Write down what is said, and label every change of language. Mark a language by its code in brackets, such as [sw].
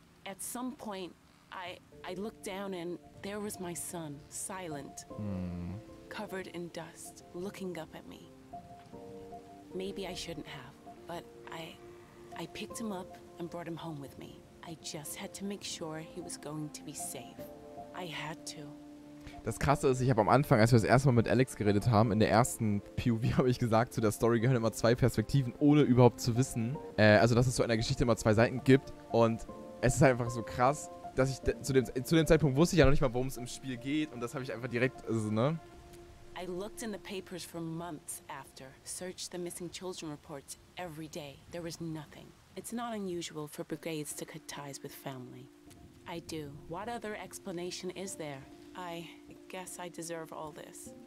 [en] At some point, I looked down and there was my son, silent. Covered in dust, looking up at me. Maybe I shouldn't have, but I picked him up and brought him home with me. I just had to make sure he was going to be safe. I had to. [de] Das Krasse ist, ich habe am Anfang, als wir das erste Mal mit Alex geredet haben, in der ersten POV habe ich gesagt, zu der Story gehören immer zwei Perspektiven, ohne überhaupt zu wissen, also dass es zu einer Geschichte immer zwei Seiten gibt. Und es ist einfach so krass, dass ich zu dem Zeitpunkt wusste ich ja noch nicht mal, worum es im Spiel geht. Und das habe ich einfach direkt, also, ne? [en] I looked in the papers for months after, searched the missing children reports every day. There was nothing. It's not unusual for brigades to cut ties with family. I do. What other explanation is there? I guess I deserve all this.